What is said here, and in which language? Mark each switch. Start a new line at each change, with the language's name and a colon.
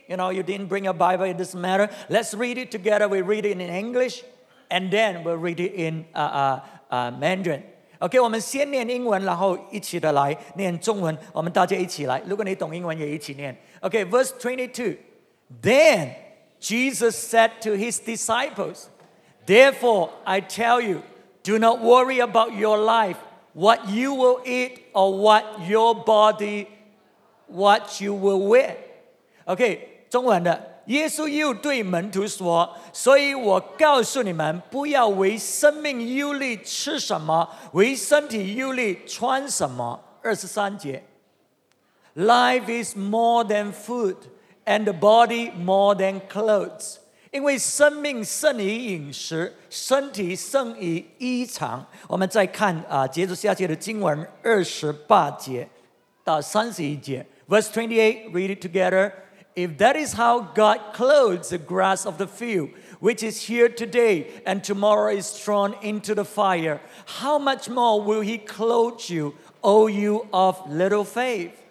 English: You know, you didn't bring your Bible, it doesn't matter. Let's read it together. We read it in English, and then we'll read it in Mandarin.
Chinese: Okay, 我们先念英文，然后一起的来念中文，我们大家一起来。如果你懂英文，也一起念。
English: Okay, verse 22. Then Jesus said to His disciples, Therefore, I tell you, do not worry about your life, what you will eat or what your body, what you will wear.
Chinese: Okay, 中文的。耶稣又对门徒说，所以我告诉你们，不要为生命忧虑吃什么，为身体忧虑穿什么。23节，
English: Life is more than food, and the body more than clothes.
Chinese: 因为生命胜于饮食，身体胜于衣裳。我们再看接着下去的经文，28节到31节。
English: Verse 28, read it together. If that is how God clothes the grass of the field, which is here today and tomorrow is thrown into the fire, how much more will He clothe you, O you of little faith?